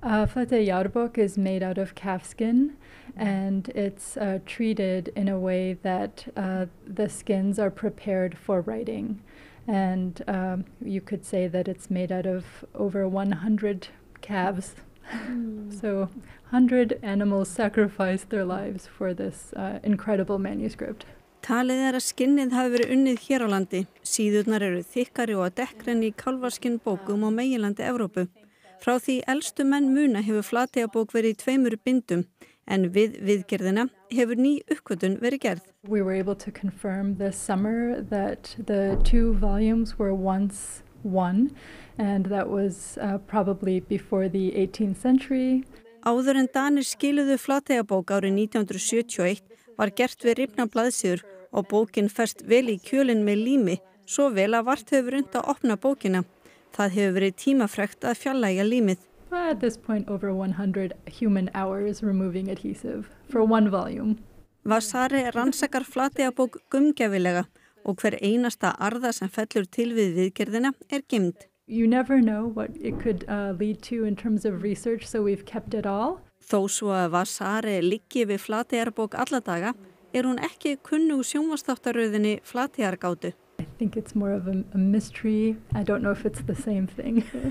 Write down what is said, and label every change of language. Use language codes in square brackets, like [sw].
[en] Flateyjarbók is made out of calfskin and it's treated in a way that the skins are prepared for writing. And you could say that it's made out of over 100 calves. So 100 animals sacrificed their lives for this incredible manuscript. [is] Talið er að skinnið hafi verið unnið hér á landi. Síðurnar eru þykkari og dekkri en í kálfaskinn bókum á meginlandi Evrópu. Frá því elstu menn muna hefur Flateyjarbók verið í 2 bindum, en við viðgerðina hefur ný uppgötun verið gerð. [en] We were able to confirm this summer that the 2 volumes were once one, and that was probably before the 18th century. [is] Áður en Danir skiluðu Flateyjarbók árið 1971 var gert við rifna blaðsýður og bókin fest vel í kjölinn með lími, svo vel að vart hefur unnt að opna bókina. Það hefur verið tímafrekt að fjarlægja límið. [en] At this point, over 100 human hours removing adhesive for one volume. [is] Vasari rannsakar Flateyjarbók gaumgæfilega og hver einasta arða sem fellur til við viðgerðina er geymd. [en] You never know what it could lead to in terms of research, so we've kept it all. [is] Þó svo að Vasari liggi við Flateyjarbók alla daga, er hún ekki kunnu sjónvarpsþáttaröðinni Flateyjargátu. [en] I think it's more of a mystery. I don't know if it's the same thing.